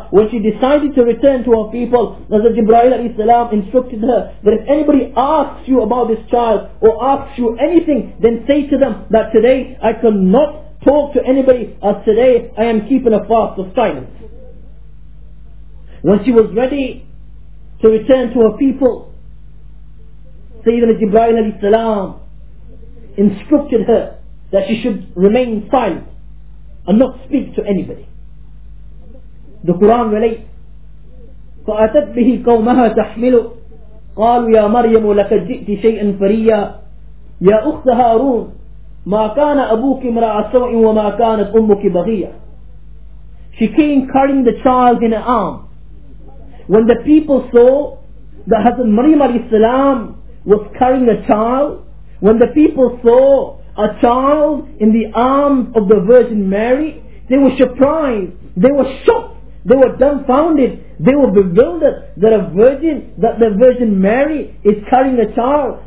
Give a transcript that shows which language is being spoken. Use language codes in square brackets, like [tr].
[en] When she decided to return to her people, Hazrat Jibreel alayhi salam instructed her that if anybody asks you about this child or asks you anything, then say to them that today I cannot talk to anybody, as today I am keeping a fast of silence. When she was ready to return to her people, Sayyidina Jibreel alayhi salam instructed her that she should remain silent and not speak to anybody. The Quran relates, [ar] فَأَتَتْ بِهِ قَوْمَهَا تَحْمِلُ قَالُوا يَا مَرْيَمُ لَكَ جِئْتِ شَيْئًا فَرِيًّا يَا أُخْتَ هَارُونَ مَا كَانَ أَبُوكِ مْرَأَ سَوْءٍ وَمَا كَانَتْ أُمُّكِ بَغِيًّا. [en] She came carrying the child in her arm. When the people saw that Hazrat Maryam alayhi salam was carrying a child, when the people saw a child in the arms of the Virgin Mary, they were surprised, they were shocked, they were dumbfounded, they were bewildered that a virgin, that the Virgin Mary is carrying a child.